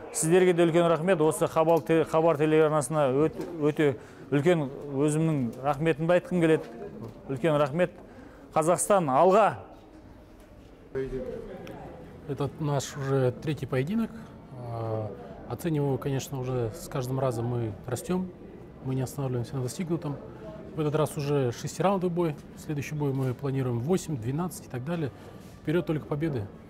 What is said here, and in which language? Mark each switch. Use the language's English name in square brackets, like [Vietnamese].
[Kazakh] Сіздерге де үлкен рахмет. Осы Хабар телеарнасына өте үлкен өзімнің рахметімді айтқым келеді. Үлкен рахмет. Казахстан, алға! [Russian] Это наш уже третий поединок. Оцениваю, конечно, уже с каждым разом мы растем. Мы не останавливаемся на достигнутом. В этот раз уже 6-раундовый бой. Следующий бой мы планируем 8, 12 и так далее. Вперед только победы.